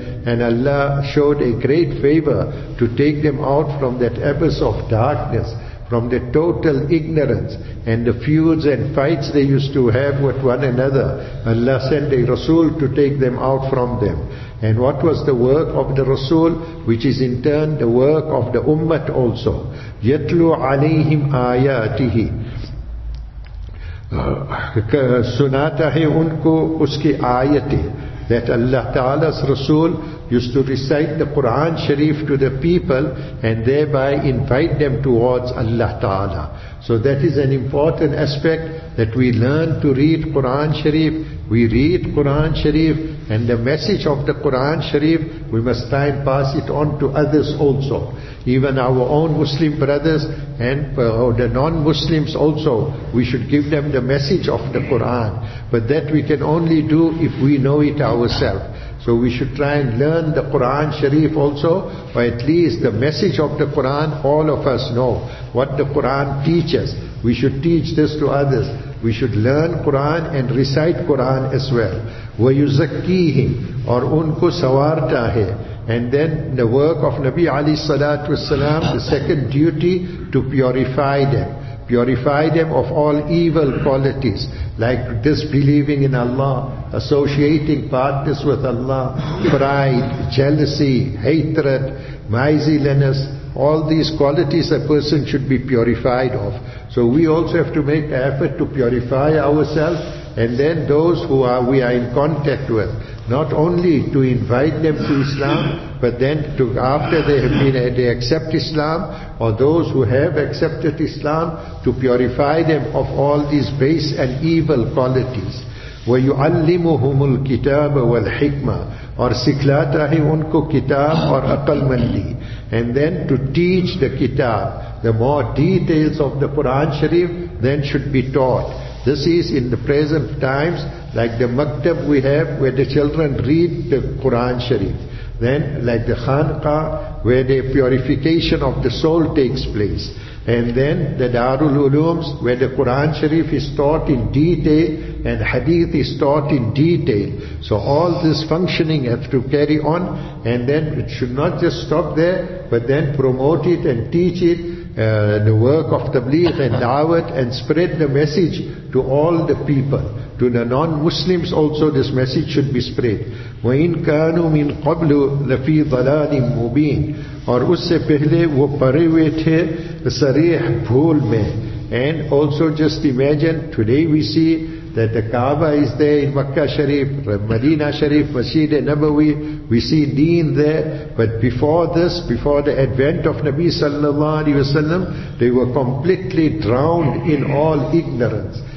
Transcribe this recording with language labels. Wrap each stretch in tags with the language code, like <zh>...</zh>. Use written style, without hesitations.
<en>And Allah showed a great favor to take them out from that abyss of darkness, from the total ignorance and the feuds and fights they used to have with one another. Allah sent a Rasul to take them out from them. And what was the work of the Rasul, which is in turn the work of the Ummat also?</en> <ar>Yatlu alayhim ayatihi.</ar> <ur>سناتا ہے ان کو اس کی آیتیں</ur> <en>that Allah Ta'ala's Rasul used to recite the Quran Sharif to the people and thereby invite them towards Allah Ta'ala. So that is an important aspect, that we learn to read Quran Sharif, we read Quran Sharif, and the message of the Quran Sharif, we must try and pass it on to others also. Even our own Muslim brothers and the non-Muslims also, we should give them the message of the Quran. But that we can only do if we know it ourselves. So we should try and learn the Quran Sharif also, or at least the message of the Quran, all of us know what the Quran teaches. We should teach this to others. We should learn Quran and recite Quran as well.</en> <ar>وَيُزَكِّيهِمْ</ar> <ur>اور ان کو سوارتا ہے.</ur> <en>And then the work of Nabi Ali Salatu Wasalam, the second duty, to purify them. Purify them of all evil qualities, like disbelieving in Allah, associating partners with Allah, pride, jealousy, hatred, miserliness. All these qualities a person should be purified of. So we also have to make effort to purify ourselves, and then those who are we are in contact with, not only to invite them to Islam, but then to, after they have been, they accept Islam, or those who have accepted Islam, to purify them of all these base and evil qualities.</en> <ar>وَيُعَلِّمُهُمُ الْكِتَابَ وَالْحِكْمَةِ</ar> <ur>اور سکھلاتا ہے ان کو کتاب اور عقل مندی.</ur> <en>And then to teach the kitab, the more details of the Quran Sharif then should be taught. This is in the present times, like the maktab we have where the children read the Quran Sharif. Then like the khanqa, where the purification of the soul takes place. And then the Darul Ulooms, where the Quran Sharif is taught in detail and hadith is taught in detail. So all this functioning has to carry on, and then it should not just stop there, but then promote it and teach it, the work of tabligh and da'wat, and spread the message to all the people. To the non-Muslims also this message should be spread.</en> <ar>وَإِنْ كَانُوا مِنْ قَبْلُ لَفِي ضَلَالٍ مُبِينٍ</ar> <ur>اور اس سے پہلے وہ پرے ہوئے تھے سریح بھول میں.</ur> <en>And also just imagine, today we see that the Kaaba is there in Makkah Sharif, Medina Sharif, Masjid Nabawi, we see Deen there. But before this, before the advent of Nabi Sallallahu Alaihi Wasallam, they were completely drowned in all ignorance.</en>